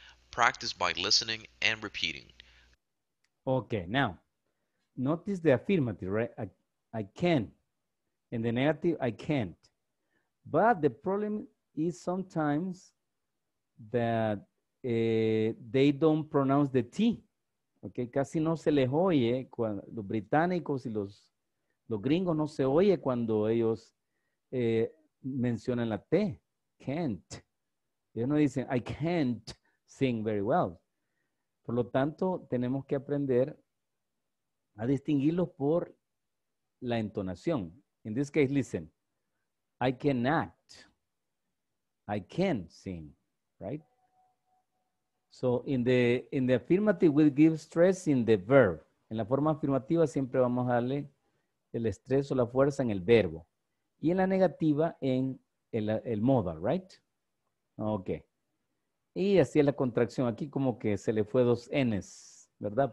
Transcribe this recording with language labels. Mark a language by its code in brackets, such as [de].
[en] Practice by listening and repeating. Okay, now, notice the affirmative, right? I can. And the negative, I can't. But the problem is sometimes that they don't pronounce the T. [es] Okay, casi no se les oye cuando los británicos y los gringos no se oye cuando ellos mencionan la T. Can't. Ellos no dicen, [en] I can't sing very well. [es] Por lo tanto, tenemos que aprender a distinguirlos por la entonación. [en] In this case, listen. I cannot. I can sing, right? So in the affirmative, we give stress in the verb. [es] En la forma afirmativa siempre vamos a darle el estrés o la fuerza en el verbo. Y en la negativa en el modal, [en] right? [es] Okay. Y así es la contracción. Aquí como que se le fue dos n's, ¿verdad?